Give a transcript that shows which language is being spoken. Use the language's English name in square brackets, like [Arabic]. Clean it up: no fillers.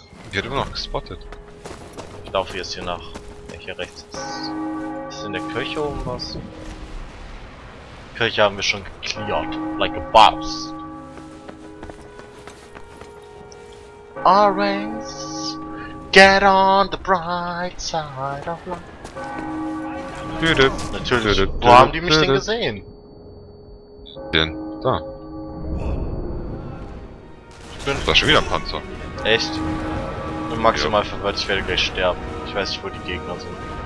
[German] Ich hätte immer noch gespottet. Ich laufe jetzt hier nach. Hier rechts ist. Ist in der Kirche oben was? Die Kirche haben wir schon geklärt. [English] Like a boss. Orange, get on the bright side of life. [German] Natürlich. Wo haben die mich denn gesehen? Denn da. Ich bin da schon wieder ein Panzer. Echt? Bin maximal verwirrt, ich werde gleich sterben. Ich weiß nicht, wo die Gegner sind.